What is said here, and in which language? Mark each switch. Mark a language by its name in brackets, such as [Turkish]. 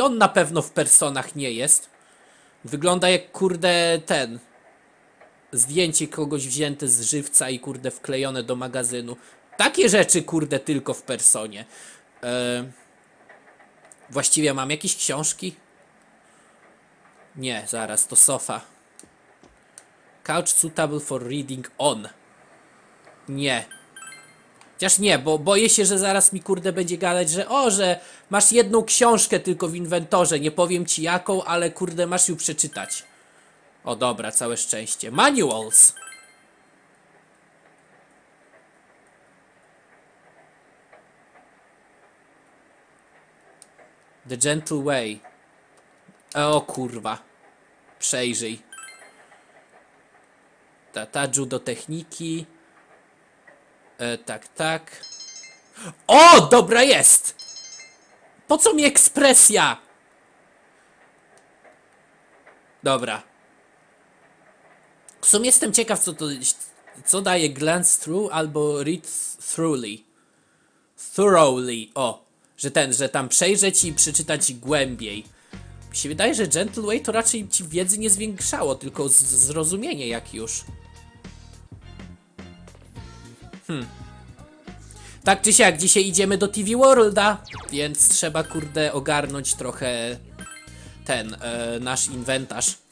[Polish] On na pewno w personach nie jest. Wygląda jak kurde ten. Zdjęcie kogoś wzięte z żywca i kurde wklejone do magazynu. Takie rzeczy kurde tylko w personie. Właściwie mam jakieś książki? Nie, zaraz, to sofa. [English] Couch suitable for reading on. [Polish] Nie. Chociaż nie, bo boję się, że zaraz mi kurde będzie gadać, że o, że masz jedną książkę tylko w inwentorze. Nie powiem ci jaką, ale kurde masz ją przeczytać. O dobra, całe szczęście. Manuals. The Gentle Way. O kurwa. Przejrzyj. Ta judo techniki. Tak. O! Dobra jest! Po co mi ekspresja? Dobra. W sumie jestem ciekaw, co to... Co daje [English] glance through [Polish] albo [English] read thoroughly. [Polish] Thoroughly. O! Że ten, że tam przejrzeć i przeczytać głębiej. Mi się wydaje, że Gentle Way to raczej ci wiedzy nie zwiększało, tylko zrozumienie jak już. Tak czy siak, dzisiaj idziemy do TV World'a, więc trzeba kurde ogarnąć trochę ten, nasz inwentarz.